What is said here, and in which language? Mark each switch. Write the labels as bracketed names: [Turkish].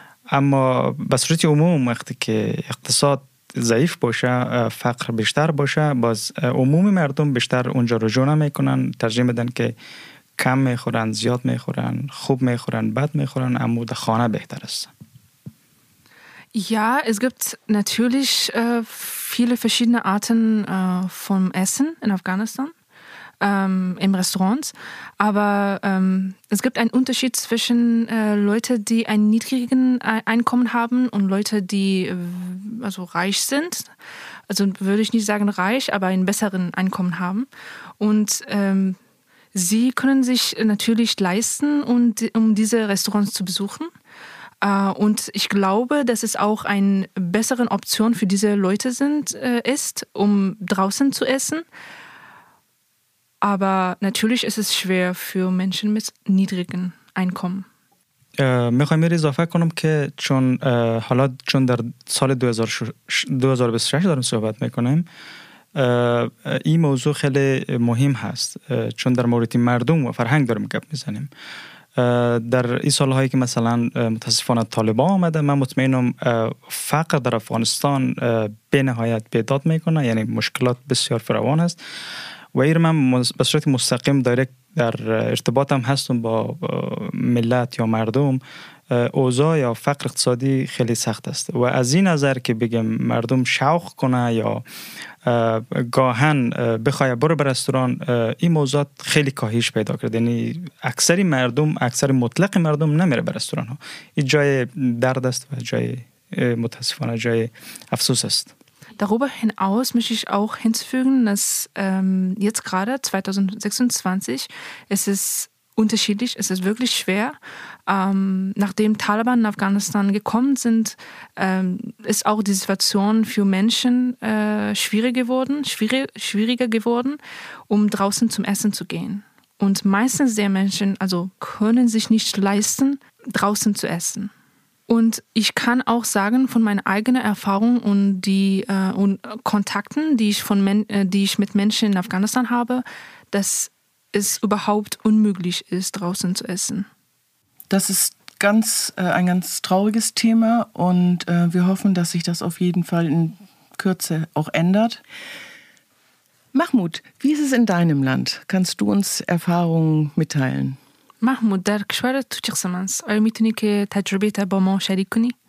[Persian] اما به صورت عموم وقتی که اقتصاد ضعیف باشه، فقر بیشتر باشه، باز عموم مردم بیشتر اونجا رجوع نمیکنن، ترجیح میدن که کم میخورن، زیاد میخورن، خوب میخورن، بد میخورن، اما در خانه بهتر است. [German] Ja, es gibt natürlich viele verschiedene Arten vom Essen in Afghanistan im Restaurant, aber es gibt einen Unterschied zwischen Leute, die einen niedrigen Einkommen haben und Leute, die also reich sind. Also würde ich nicht sagen reich, aber einen besseren Einkommen haben. Und sie können sich natürlich leisten, um diese Restaurants zu besuchen. Und ich glaube, dass es auch eine bessere Option für diese Leute ist, um draußen zu essen. Aber natürlich ist es schwer für Menschen mit niedrigen Einkommen. [Persian] میخوام اضافه کنم که چون حالا چون در سال 2026 دارم صحبت میکنم، این موضوع خیلی مهم هست چون در مورد مردم و فرهنگ دارم گپ میزنیم. در این سالهایی که مثلا متاسفانه طالبان آمده، من مطمئنم فقر در افغانستان به نهایت بیداد میکنه، یعنی مشکلات بسیار فراوان است. و ایر من به صورت مستقیم دایرکت در ارتباطم هستم با ملت یا مردم، اوضاع یا فقر اقتصادی خیلی سخت است و از این نظر که بگم مردم شوق کنه یا گاهن بخوای برو به رستوران، این موضوعات خیلی کاهش پیدا کرده. یعنی اکثری مردم، اکثر مطلق مردم نمیره به رستوران ها. این جای درد است و جای متاسفانه جای افسوس است. [German] Darüber hinaus möchte ich auch hinzufügen, dass jetzt gerade 2026, es ist unterschiedlich, es ist wirklich schwer. Nachdem Taliban in Afghanistan gekommen sind, ist auch die Situation für Menschen schwieriger geworden, um draußen zum Essen zu gehen. Und meistens der Menschen also können sich nicht leisten, draußen zu essen. Und ich kann auch sagen, von meiner eigenen Erfahrung und die und Kontakten, die ich mit Menschen in Afghanistan habe, dass es überhaupt unmöglich ist, draußen zu essen. Das ist ein ganz trauriges Thema und wir hoffen, dass sich das auf jeden Fall in Kürze auch ändert. Mahmoud, wie ist es in deinem Land? Kannst du uns Erfahrungen mitteilen? [Persian] محمود در کشور تو چه قسم است؟ آیا میتونی که تجربه تا با ما شریک کنی؟